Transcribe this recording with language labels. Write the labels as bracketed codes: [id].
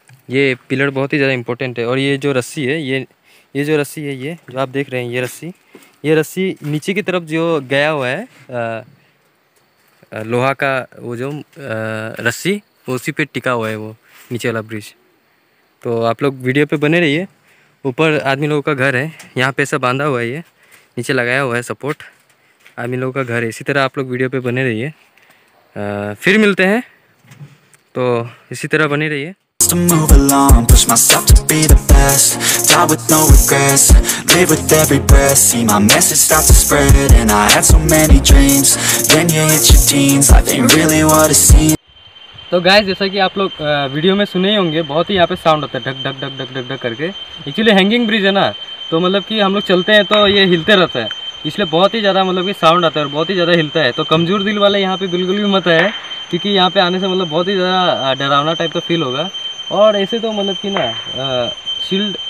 [hi] ये पिलर बहुत ही ज़्यादा इंपॉर्टेंट है। और ये जो रस्सी है, ये जो रस्सी है, ये जो आप देख रहे हैं, ये रस्सी नीचे की तरफ जो गया हुआ है लोहा का, वो जो रस्सी, वो उसी पे टिका हुआ है वो नीचे वाला ब्रिज। तो आप लोग वीडियो पे बने रहिए। ऊपर आदमी लोगों का घर है, यहाँ पे ऐसा बांधा हुआ है, ये नीचे लगाया हुआ है सपोर्ट, आदमी लोगों का घर है। इसी तरह आप लोग वीडियो पे बने रहिए, फिर मिलते हैं। तो इसी तरह बने रहिए। [en] To move along, push myself to be the best. Die with no regrets, live with every breath. See my message start to spread, and I had so many dreams. Then you hit your teens, life ain't really what it seems. [hi] तो guys जैसा कि आप लोग video में सुने ही होंगे, बहुत ही यहाँ पे साउंड होता है ढक ढक ढक ढक ढक ढक करके। एक्चुअली हैंगिंग ब्रिज है ना, तो मतलब कि हम लोग चलते हैं तो ये हिलते रहता है, इसलिए बहुत ही ज़्यादा मतलब कि साउंड आता है और बहुत ही ज़्यादा हिलता है। तो कमज़ोर दिल वाले यहाँ पे बिल्कुल भी मत आए, क्योंकि यहाँ पे आने से मतलब बहुत ही ज़्यादा डरावना टाइप का फील होगा। और ऐसे तो मतलब कि ना शील्ड